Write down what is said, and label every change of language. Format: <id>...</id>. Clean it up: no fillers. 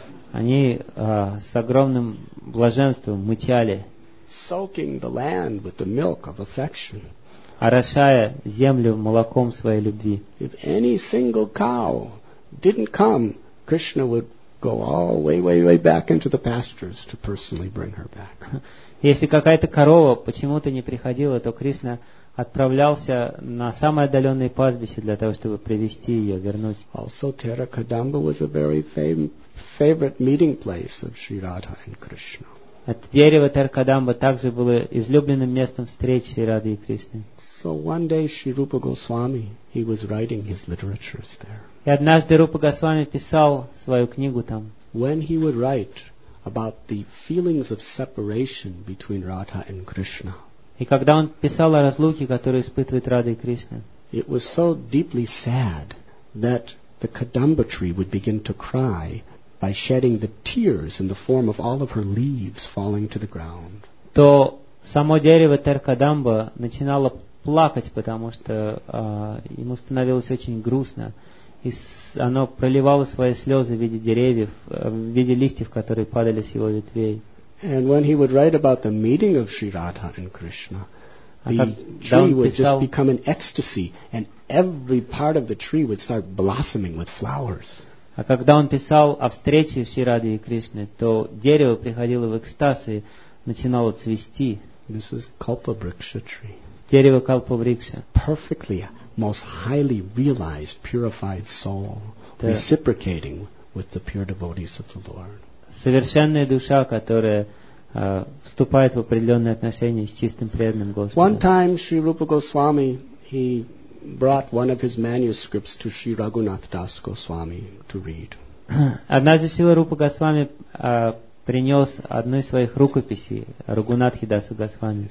<ru>Они с огромным блаженством мычали.</ru> <en>Soaking the land with the milk of affection.</en> <ru>Орошая землю молоком своей любви.</ru> <en>If any single cow didn't come, Krishna would go all way, way, way back into the pastures to personally bring her back.</en> <ru>Если какая-то корова почему-то не приходила, то Кришна отправлялся на самое отдаленное пастбище для того, чтобы привести ее, вернуть.</ru> <en>Also, Теракадамба was a very favorite meeting place of Sri Radha and Krishna.</en> <ru>Это дерево Теракадамба также было излюбленным местом встречи Шри Рады и Кришны.</ru> <en>So one day Sri Rupa Goswami, he was writing his literatures there.</en> <ru>И однажды Рупа Госвами писал свою книгу там.</ru> <en>When he would write about the feelings of separation between Radha and Krishna.</en> <ru>И когда он писал о разлуке, которую испытывает Рада и Кришна.</ru> <en>It was so deeply sad that the Kadamba tree would begin to cry by shedding the tears in the form of all of her leaves falling to the ground.</en> <ru>То само дерево Теракадамба начинало плакать, потому что ему становилось очень грустно, и оно проливало свои слезы в виде деревьев, в виде листьев, которые падали с его ветвей.</ru> <en>And when he would write about the meeting of Sri Radha and Krishna, the tree would just become an ecstasy, and every part of the tree would start blossoming with flowers.</en> <ru>А когда он писал о встрече с Радхой и Кришной, то дерево приходило в экстаз и начинало цвести.</ru> <en>This is Kalpavriksha tree.</en> <ru>Дерево Калпавриксха.</ru> <en>Perfectly, most highly realized, purified soul, reciprocating with the pure devotees of the Lord.</en> <ru>Совершенная душа, которая вступает в определенные отношения с чистым преданным Господом.</ru> <en>One time, Sri Rupa Goswami, he brought one of his manuscripts to Sri Raghunath Das Goswami to read.</en> <ru>Однажды Сила Рупа Госвами принес одну из своих рукописей Рагунатхи Дасу Госвами.</ru>